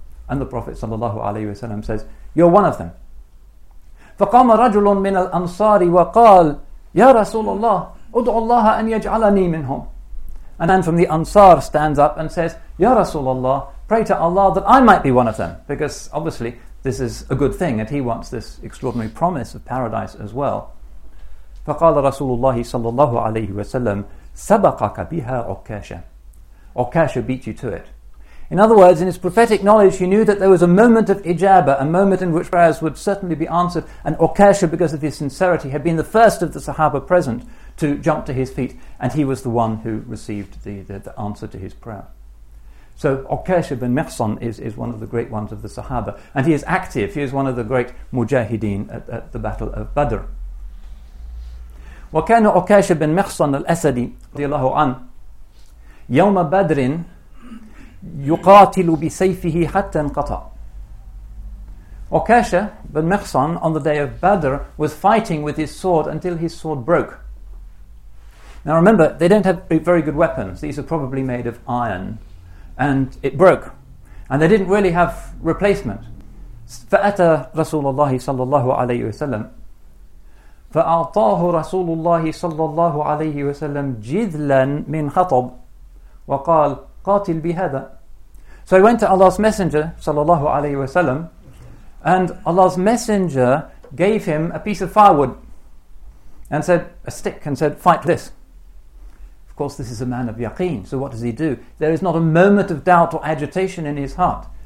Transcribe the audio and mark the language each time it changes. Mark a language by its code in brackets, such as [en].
[en] And the Prophet sallallahu alayhi wa sallam says, You're one of them. [ar] Faqama rajulun min al ansari wa qal, Ya Rasulullah, أُدْعُ اللَّهَ أَنْ يَجْعَلَنِي مِنْهُمْ [en] A man from the Ansar stands up and says, Ya Rasulullah, pray to Allah that I might be one of them. Because obviously this is a good thing and he wants this extraordinary promise of paradise as well. [ar] فَقَالَ رَسُولُ اللَّهِ صَلَّى اللَّهُ عَلَيْهِ وَسَلَّمْ سَبَقَكَ بِهَا عُكَاشَ عُكَاشَ [en] beat you to it. In other words, in his prophetic knowledge, he knew that there was a moment of ijaba, a moment in which prayers would certainly be answered, and Ukasha, because of his sincerity, had been the first of the Sahaba present to jump to his feet, and he was the one who received the answer to his prayer. So Ukasha bin Mihsan is one of the great ones of the Sahaba, and he is active. He is one of the great mujahideen at the Battle of Badr. [ar] وَكَانَ Ukasha bin Mihsan al-Asadi رضي الله عنه يَوْمَ بَدْرٍ يقاتل بسيفه حتى انقطع. [en] Ukasha bin Mihsan on the day of Badr was fighting with his sword until his sword broke. Now remember, they don't have very good weapons. These are probably made of iron. And it broke. And they didn't really have replacement. [ar] فأتى رسول الله صلى الله عليه وسلم فأعطاه رسول الله صلى الله عليه وسلم جذلا من خطب وقال قاتل بهذا. [en] So he went to Allah's Messenger, sallallahu alayhi wa sallam, and Allah's Messenger gave him a piece of firewood and said, a stick, and said, fight this. Of course, this is a man of yaqeen, so what does he do? There is not a moment of doubt or agitation in his heart.